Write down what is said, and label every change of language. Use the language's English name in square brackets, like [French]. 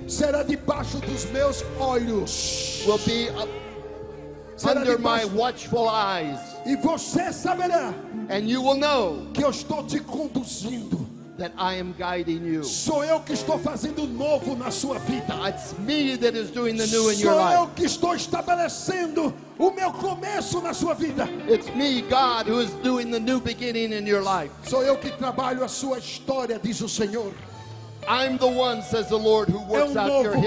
[Portuguese] será debaixo dos meus olhos, [English] will be up under my watchful eyes, [Portuguese] e você saberá, [English] and you will know, [Portuguese] que eu estou te conduzindo, [English] that I am guiding you. [Portuguese] Sou eu que estou fazendo novo na sua vida. [English] It's me that is doing the new in your life. [Portuguese] Sou eu que estou estabelecendo o meu começo na sua vida. [English] It's me, God, who is doing the new beginning in your life. [Portuguese] Sou eu que trabalho a sua história, diz o Senhor. [English] I'm the one, says the Lord, who works out your history.